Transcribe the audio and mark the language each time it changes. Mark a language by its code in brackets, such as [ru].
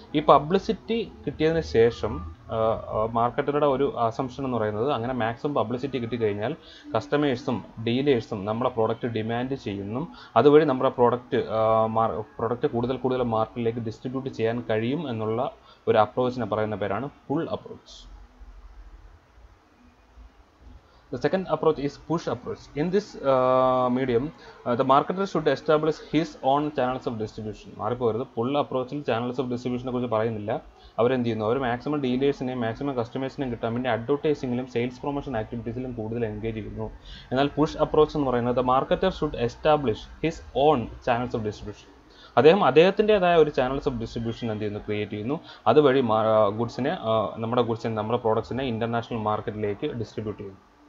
[ml] ഈ പബ്ലിസിറ്റി കിട്ടിയതിന് ശേഷം മാർക്കറ്ററുടെ ഒരു അസംഷൻ എന്ന് പറയുന്നത്, അങ്ങനെ മാക്സിമം പബ്ലിസിറ്റി കിട്ടിക്കഴിഞ്ഞാൽ കസ്റ്റമേഴ്സും ഡീലേഴ്സും നമ്മുടെ പ്രോഡക്റ്റ് ഡിമാൻഡ് ചെയ്യുന്നു, അതുവഴി നമ്മുടെ പ്രോഡക്റ്റ് കൂടുതൽ കൂടുതൽ മാർക്കറ്റിലേക്ക് ഡിസ്ട്രിബ്യൂട്ട് ചെയ്യാൻ കഴിയും എന്നുള്ള ഒരു അപ്രോച്ചിനെ പറയുന്ന പേരാണ് full approach. [en] The second approach is push approach. In this medium, the marketer should establish his own channels of distribution. [ml] മാറിപ്പോകരുത്, പുള്ള അപ്രോച്ചിൽ ചാനൽസ് ഓഫ് ഡിസ്ട്രിബ്യൂഷനെ കുറിച്ച് പറയുന്നില്ല. അവരെന്ത് ചെയ്യുന്നു, അവർ മാക്സിമം ഡീലേഴ്സിനെയും മാക്സിമം കസ്റ്റമേഴ്സിനെയും കിട്ടാൻ വേണ്ടി അഡ്വർടൈസിങ്ങിലും സെയിൽസ് പ്രൊമോഷൻ ആക്ടിവിറ്റീസിലും കൂടുതൽ എൻഗേജ് ചെയ്യുന്നു. എന്നാൽ [en] push approach [ml] എന്ന് പറയുന്നത് [en] The marketer should establish his own channels of distribution. [ml] അദ്ദേഹത്തിൻ്റെതായ ഒരു ചാനൽസ് ഓഫ് ഡിസ്ട്രിബ്യൂഷൻ എന്ത് ചെയ്യുന്നു, ക്രിയേറ്റ് ചെയ്യുന്നു. അതുവഴി നമ്മുടെ പ്രോഡക്ട്സിനെ ഇൻ്റർനാഷണൽ മാർക്കറ്റിലേക്ക് ഡിസ്ട്രിബ്യൂട്ട് ചെയ്യുന്നു.